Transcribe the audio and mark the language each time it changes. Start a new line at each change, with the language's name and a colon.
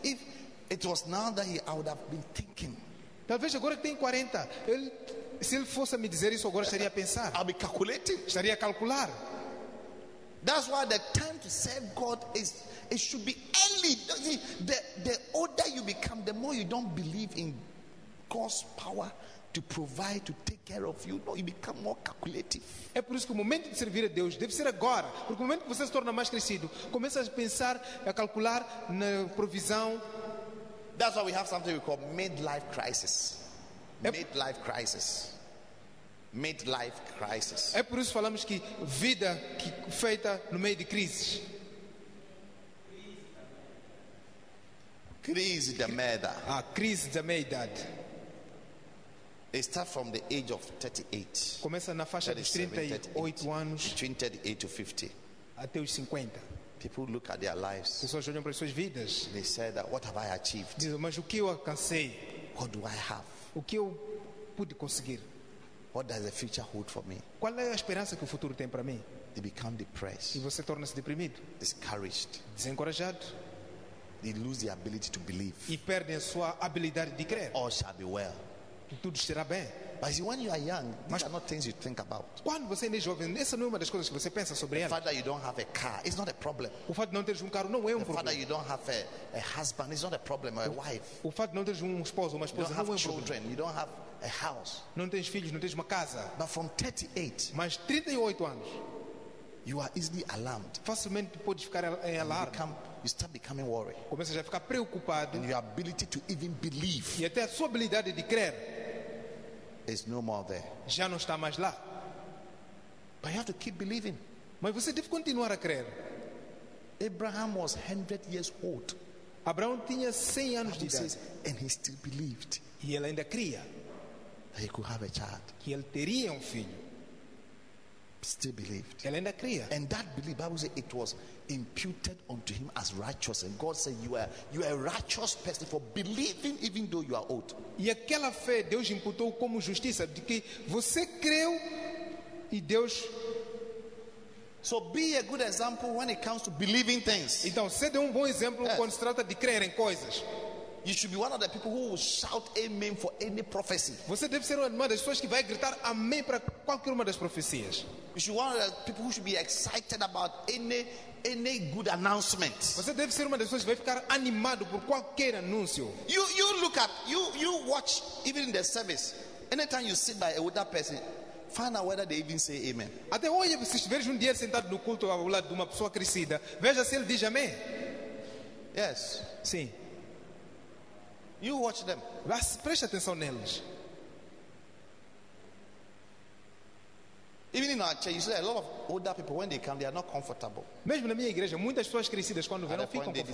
English: If it was now that I would have been thinking.
Portuguese: Talvez agora que tenha 40, se ele fosse me dizer isso agora, estaria a pensar.
English: I'll be calculating.
Portuguese: Estaria a calcular.
English: That's why the time to serve God is, it should be early. The older you become, the more you don't believe in God's power to provide, to take care of you. No, you become more calculative.
Portuguese: É por isso que o momento de servir a Deus deve ser agora. Porque o momento que você se torna mais crescido, começa a pensar, a calcular na provisão.
English: That's why we have something we call midlife crisis. Midlife crisis. Midlife crisis.
Portuguese: É por isso que falamos que vida que feita no meio de crises. Crise da meia. Ah, crise da meia idade.
English: It starts from the age of 38.
Portuguese: Começa na faixa dos 38 anos.
English: Between 38 to 50.
Portuguese: Até os 50.
English: People look at their lives.
Portuguese: Pessoas olham para suas vidas.
English: They say that, what have I achieved?
Portuguese: Dizem, mas o que eu alcancei?
English: What do I have?
Portuguese: O que eu pude conseguir?
English: What does the future hold for me?
Portuguese: Qual é a esperança que o futuro tem para mim?
English: They become depressed.
Portuguese: E você torna-se deprimido.
English: Discouraged.
Portuguese: Desencorajado.
English: They lose their ability to believe.
Portuguese: E perdem a sua habilidade de crer.
English: All shall be well.
Portuguese: Tudo será bem.
English: But see, when you are young, these are not things you think about.
Portuguese: Quando você é jovem, essa não é uma das coisas que você pensa sobre ela.
English: The fact that you don't have a car is not a problem.
Portuguese: O fato de não ter carro não é problema.
English: The fact that you don't have a husband is not a problem, or a wife.
Portuguese: O fato de não ter esposo, uma esposa,
English: you don't have
Portuguese: é um
English: children,
Portuguese: problema.
English: You don't have a house.
Portuguese: Não tens filhos, não tens uma casa.
English: But from 38,
Portuguese: mas 38 anos,
English: you are easily alarmed.
Portuguese: Facilmente pode ficar em alarme.
English: You start becoming worried.
Portuguese: Começa a ficar preocupado.
English: And your ability to even believe.
Portuguese: E até a sua habilidade de crer.
English: Is no more there.
Portuguese: Já não está mais lá.
English: But you have to keep believing.
Portuguese: Mas você deve continuar a crer.
English: Abraham was 100 years old.
Portuguese: Abraão tinha 100 anos de idade.
English: And he still believed.
Portuguese: E ele ainda cria.
English: That he could have a child.
Portuguese: Que ele teria filho.
English: Still believed.
Portuguese: Ele ainda cria.
English: And that belief, Bible says, it was imputed unto him as righteous. And God said, you are a righteous person for believing even though you are old.
Portuguese: E aquela fé Deus imputou como justiça, de que você creu e Deus.
English: So be a good example when it comes to believing things.
Portuguese: Então, seja bom exemplo quando se trata de crer em coisas.
English: You should be one of the people who will shout amen for any prophecy.
Portuguese: Você deve ser uma das pessoas que vai gritar amém para qualquer uma das profecias.
English: You should be one of the people who should be excited about any good announcement.
Portuguese: Você deve ser uma das pessoas que vai ficar animado por qualquer anúncio.
English: You look at, you watch even in the service. Anytime you sit by a older person, find out whether they even say amen.
Portuguese: Até hoje, se estiver um dia sentado no culto ao lado de uma pessoa crescida, veja se ele diz amém.
English: Yes.
Portuguese: Sim.
English: You watch them.
Portuguese: Mas preste atenção neles.
English: Even in our church, you see a lot of older people when they come, they are not comfortable.
Portuguese: Mesmo na minha igreja, muitas pessoas crescidas quando vêm não ficam confortáveis.